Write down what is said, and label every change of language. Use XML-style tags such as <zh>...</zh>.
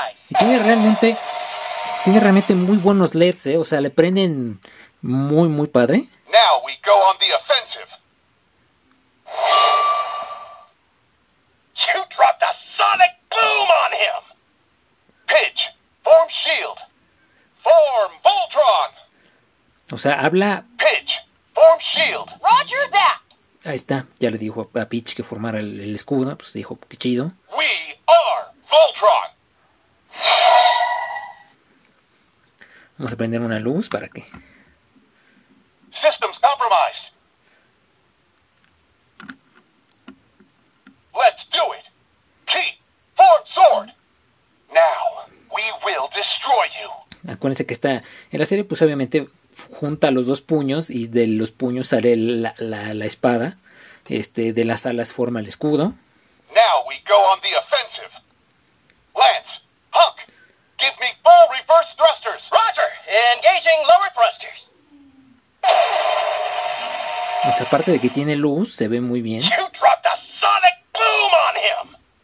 <es>Y tiene realmente muy buenos LEDs, o sea, le prenden muy, muy padre.</es> <en>Now we go on the offensive. You dropped a sonic boom on him. Pitch, form shield, form Voltron.</en> <es>O sea, habla.</es> <en>Pitch, form shield. Roger that.</en> <es>Ahí está, ya le dijo a Pitch que formara el escudo, pues dijo, qué chido.</es> <en>We are Voltron.</en> <es>Vamos a prender una luz para que.</es> <en>Systems compromised. Let's do it. Key, forward sword. Now we will destroy you.</en> <es>Acuérdense que está en la serie, pues obviamente junta los dos puños y de los puños sale la espada. De las alas forma el escudo.</es> <en>Now we go on the offensive. Lance, Hunk, give me full reverse thrusters. Roger, engaging lower thrusters.</en> <es>O sea, aparte de que tiene luz, se ve muy bien.</es> <en>You dropped a sonic boom on him.</en>